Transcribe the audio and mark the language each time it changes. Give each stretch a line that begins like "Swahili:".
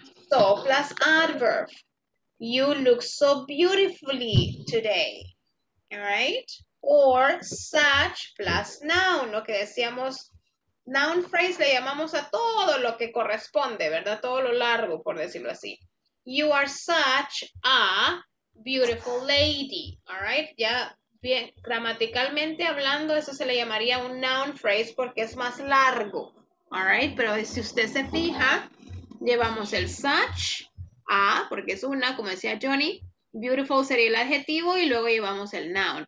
English: So plus adverb. You look so beautifully today. All right. Or such plus noun,
Spanish: lo que decíamos, noun phrase le llamamos a todo lo que corresponde, ¿verdad? Todo lo largo, por decirlo así.
English: You are such a beautiful lady, all right?
Spanish: Ya bien, gramaticalmente hablando, eso se le llamaría un noun phrase porque es más largo, all right? Pero si usted se fija, llevamos el such a, porque es una, como decía Johnny, beautiful sería el adjetivo y luego llevamos el noun.